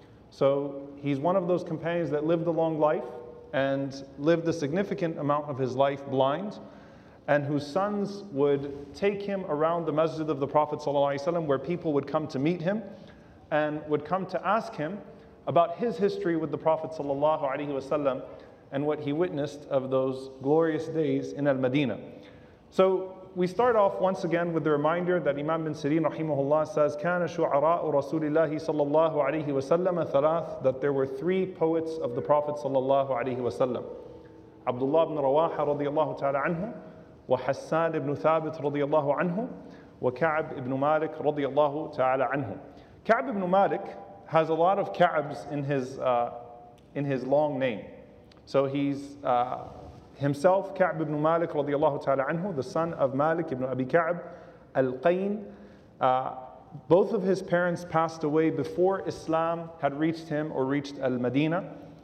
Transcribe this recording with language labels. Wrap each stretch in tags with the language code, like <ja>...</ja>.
<en>So he's one of those companions that lived a long life and lived a significant amount of his life blind, and whose sons would take him around the masjid of the Prophet sallallahu alaihi wasallam, where people would come to meet him and would come to ask him about his history with the Prophet sallallahu alaihi wasallam and what he witnessed of those glorious days in Al-Madina. So we start off once again with the reminder that Imam bin Sirin rahimahullah says,</en> <ar>كان شعراء رسول الله صلى الله عليه وسلم ثلاث,</ar> <en>that there were three poets of the Prophet</en> <ar>صلى الله عليه وسلم.</ar> <en>Abdullah ibn Rawah</en> <ar>رضي الله تعالى عنه,</ar> <en>وحسان ibn Thabit</en> <ar>رضي الله عنه,</ar> <en>وكعب ibn Malik رضي الله تعالى عنه. Ka'b ibn Malik has a lot of Ka'bs in his long name. So he's himself Ka'b ibn Malik radiallahu ta'ala anhu, the son of Malik ibn Abi Ka'b al-Qayn. Both of his parents passed away before Islam had reached him or reached al-Madinah.</en>